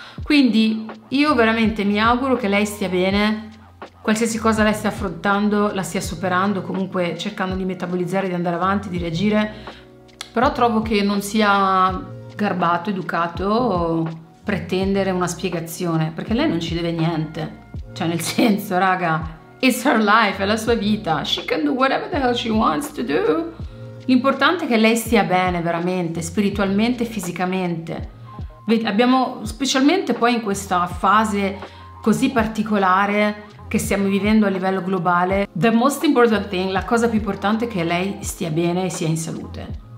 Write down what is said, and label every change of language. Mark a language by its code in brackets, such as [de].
[it] Quindi io veramente mi auguro che lei stia bene, qualsiasi cosa lei stia affrontando, la stia superando, comunque cercando di metabolizzare, di andare avanti, di reagire. Però trovo che non sia garbato, educato pretendere una spiegazione, perché lei non ci deve niente. Cioè, nel senso, raga, [en] it's her life, [it] è la sua vita. [en] She can do whatever the hell she wants to do. [it] L'importante è che lei stia bene, veramente, spiritualmente e fisicamente. Abbiamo, specialmente poi in questa fase così particolare che stiamo vivendo a livello globale, [en] the most important thing, [it] la cosa più importante è che lei stia bene e sia in salute.